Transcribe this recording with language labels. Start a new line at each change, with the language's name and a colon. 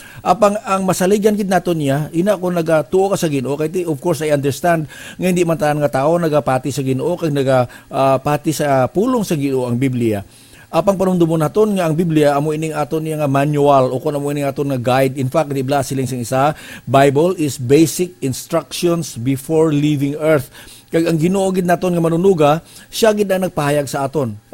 Hiligaynon: Apang ang masaligan gid nato niya, ina ko nag-tuo ka sa Ginoo, kay
English: of course I understand
Hiligaynon: nga hindi man tanan nga tao nagapati sa Ginoo kay nagapati sa pulong sa Ginoo ang Biblia. Apang panundumon naton nga ang Biblia amo ining aton nga manual o kon amo ining aton nga guide.
English: In fact,
Hiligaynon: di bla siling sing isa,
English: Bible is basic instructions before leaving earth.
Hiligaynon: Kag ang Ginoo gid naton nga manunuga, siya gid ang nagpahayag sa aton.